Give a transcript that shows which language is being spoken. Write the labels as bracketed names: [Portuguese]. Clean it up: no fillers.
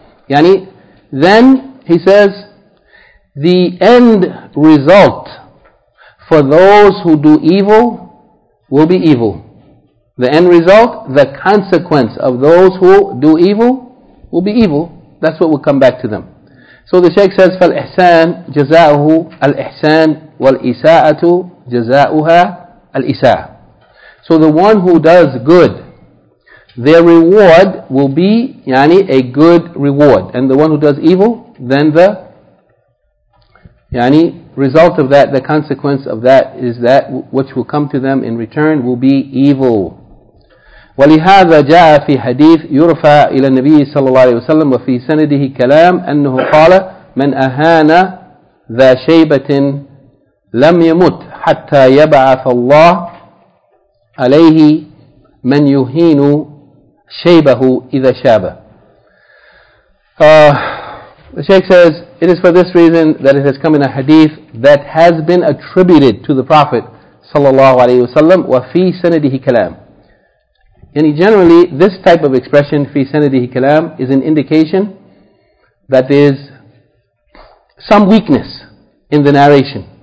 [English] Yani, then, he says, the end result for those who do evil will be evil. The end result, the consequence of those who do evil will be evil. That's what will come back to them. So the Shaykh says, [Arabic] فَالْإِحْسَانِ جَزَاؤُهُ الْإِحْسَانِ وَالْإِسَاءَةُ جَزَاؤُهَا الْإِسَاءَ. [English] So the one who does good, their reward will be, yani, a good reward. And the one who does evil, then the, yani, result of that, the consequence of that is that which will come to them in return will be evil. [Arabic] ولهذا جاء في حديث يرفع إلى النبي صلى الله عليه وسلم وفي سنده كلام أنه قال من أهان ذا شيبة لم يمت حتى يبعث الله عليه من يهين شيبه إذا شاب. [English] The Shaykh says, it is for this reason that it has come in a hadith that has been attributed to the Prophet sallallahu alayhi wa sallam, [Arabic] وَفِي سَنَدِهِ كَلَامِ. [English] And generally, this type of expression, fi sanadihi kalam, is an indication that there is some weakness in the narration.